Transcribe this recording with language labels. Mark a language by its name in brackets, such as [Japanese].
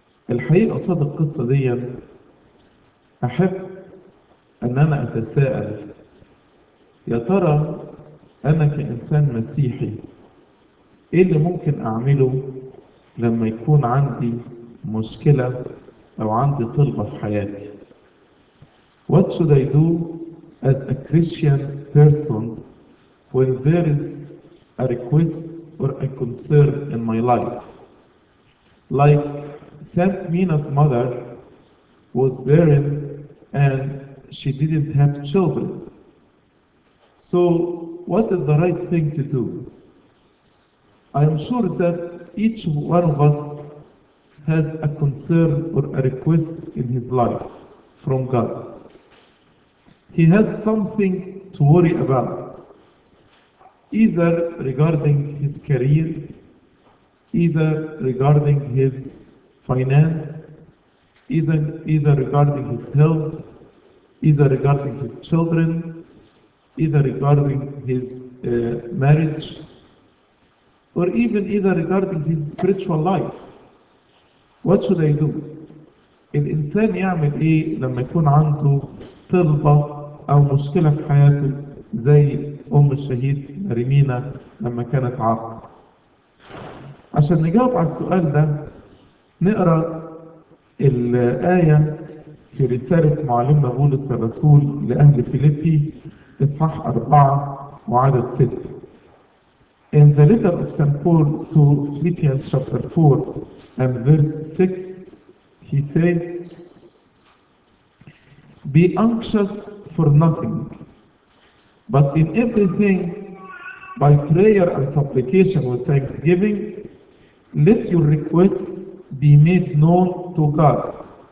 [Arabic] الحقيقة قصاد القصة دي أحب أن أنا أتساءل، يا ترى أنا كإنسان مسيحي إيه اللي ممكن أعمله لما يكون عندي مشكلة أو عندي طلبة في حياتي؟ [English] What should I do as a Christian person when there is a request or a concern in my life? Like Saint Mina's mother was barren and she didn't have children. So what is the right thing to do? I am sure that each one of us has a concern or a request in his life from God. He has something to worry about, either regarding his career, either regarding his finance, either regarding his health, either regarding his children, either regarding his marriage, or even either regarding his spiritual life. What should I do? [Arabic] الإنسان يعمل إيه لما يكون عنده طلبة أو مشكلة في حياته زي أم الشهيد ريمينا لما كانت عاقة؟ عشان نجاوب على السؤال ده نقرأ الآية في رسالة معلمنا بولس الرسول لأهل فيليبي إصحاح 4 وعدد 6. [English] In the letter of St. Paul to Philippians chapter 4 and verse 6, he says, Be anxious for nothing, but in everything, by prayer and supplication with thanksgiving, let your requests be made known to God.